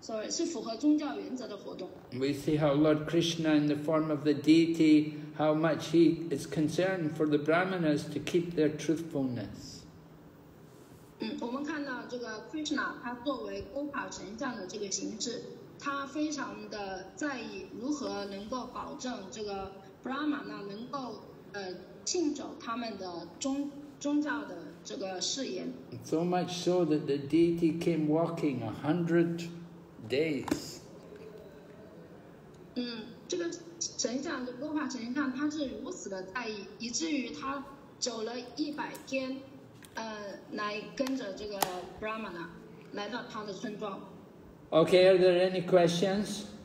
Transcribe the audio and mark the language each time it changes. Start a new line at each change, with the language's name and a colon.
Chinese: 是符合宗教原则的活动。
English: We see how Lord Krishna, in the form of the deity, how much he is concerned for the brahmanas to keep their truthfulness.
Chinese: 我们看到这个 Krishna， 他作为 Gopa 神像的这个形制，他非常的在意如何能够保证这个 Brahma 呢能够信守他们的宗教的这个誓言。
English: So much so that the deity came walking 100 days.
Chinese: 这个神像的 Gopa 神像，他是如此的在意，以至于他走了100天。来跟着这个Brahmana来到他的村庄。
English: Okay, are there any questions?